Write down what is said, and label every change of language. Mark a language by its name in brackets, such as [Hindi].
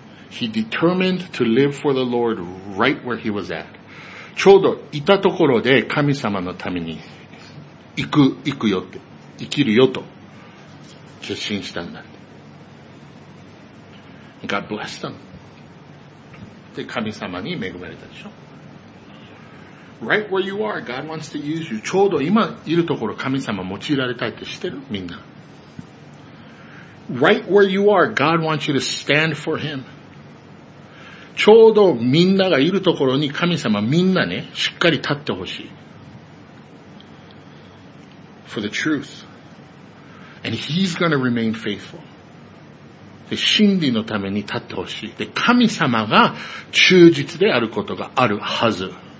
[English] He determined to live for the Lord right where he was at. [Japanese] ちょうどいたところで神様のために行くよって、生きるよと決心したんだ。 [English] God blessed him. [Japanese] で、神様に恵まれたでしょ。 [English] Right where you are, God wants to use you. [Japanese] ちょうど今いるところ、神様用いられたいって知ってる？みんな。 [English] Right where you are, God wants you to stand for Him. [Japanese] ちょうどみんながいるところに神様みんなね、しっかり立ってほしい。 [English] For the truth. And He's gonna remain faithful. [Japanese] で、真理のために立ってほしい。で、神様が忠実であることがあるはず。